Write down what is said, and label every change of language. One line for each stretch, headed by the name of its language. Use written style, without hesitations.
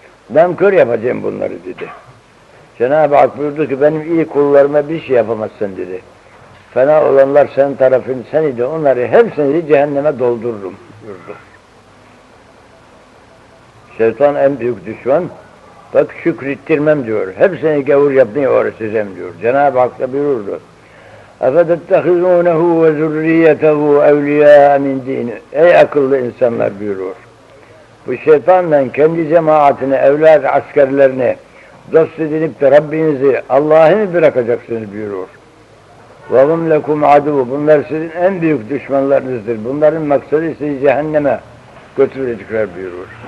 Turkish: Ben kör yapacağım bunları dedi. Cenab-ı Hak buyurdu ki, benim iyi kullarıma bir şey yapamazsın dedi. Fena olanlar senin tarafın seniydi, onları hepsini cehenneme doldururum buyurdu. Şeytan en büyük düşman, bak şükrettirmem diyor, hepsini gavur yapmaya uğraşacağım diyor. Cenab-ı Hak da buyurdu.
Arabic: أَفَتَتَّخِذُونَهُ وَذُرِّيَّتَهُ اَوْلِيَاءَ مِنْ دِينِ
Turkish: Ey akıllı insanlar buyuruyor. Bu şeytanla kendi cemaatini, evlat askerlerini dost edinip de Rabbinizi, Allah'ı mı bırakacaksınız buyuruyor.
Arabic: وَهُمْ لَكُمْ عَدُوُ
Turkish: Bunlar sizin en büyük düşmanlarınızdır. Bunların maksadı sizi cehenneme götürecekler buyuruyor.